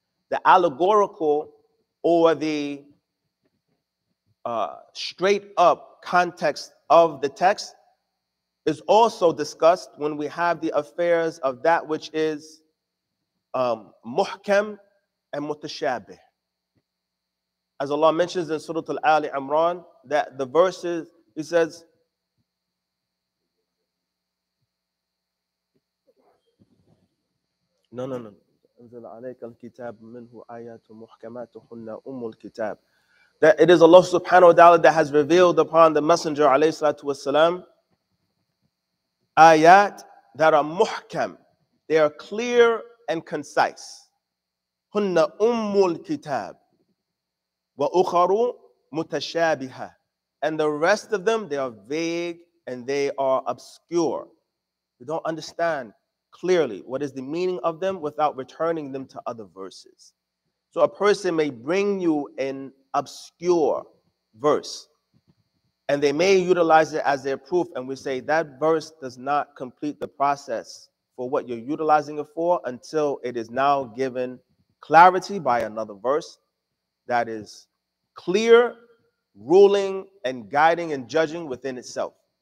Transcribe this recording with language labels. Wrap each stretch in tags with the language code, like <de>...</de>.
<en>The allegorical or the straight up context of the text is also discussed when we have the affairs of that which is muhkam and mutashabih. As Allah mentions in Surah Al-Ali Imran, that the verses, he says, No.</en> <ar>أنزل عليك الكتاب منه آيات محكمات هن أم الكتاب.</ar> <en>That it is Allah subhanahu wa ta'ala that has revealed upon the Messenger alayhi salatu wasalam ayat that are muhkam. They are clear and concise.</en> <ar>هن أم الكتاب وأخر متشابهة.</ar> <en>And the rest of them, they are vague and they are obscure. You don't understand clearly what is the meaning of them without returning them to other verses. So a person may bring you an obscure verse and they may utilize it as their proof, and we say that verse does not complete the process for what you're utilizing it for until it is now given clarity by another verse that is clear, ruling and guiding and judging within itself.</en>